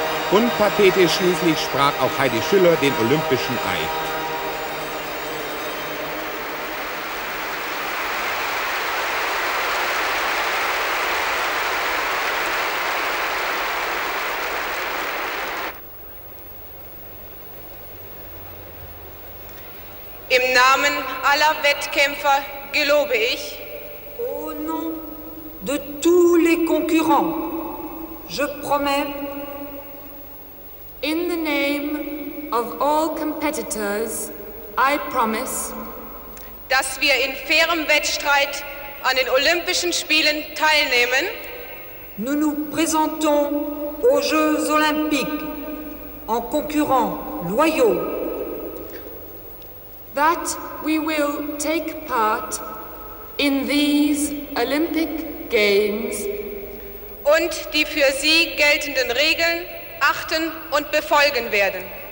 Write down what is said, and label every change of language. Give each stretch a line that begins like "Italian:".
German: Und pathetisch schließlich sprach auch Heidi Schüller den olympischen Eid. Im Namen aller Wettkämpfer gelobe ich,
French: au nom de tous les concurrents, je promets,
English: in the name of all competitors, I promise,
German: dass wir in fairem Wettstreit an den Olympischen Spielen teilnehmen.
French: Nous nous présentons aux Jeux Olympiques en concurrents loyaux.
English: That we will take part in these Olympic Games
German: und die für Sie geltenden Regeln achten und befolgen werden.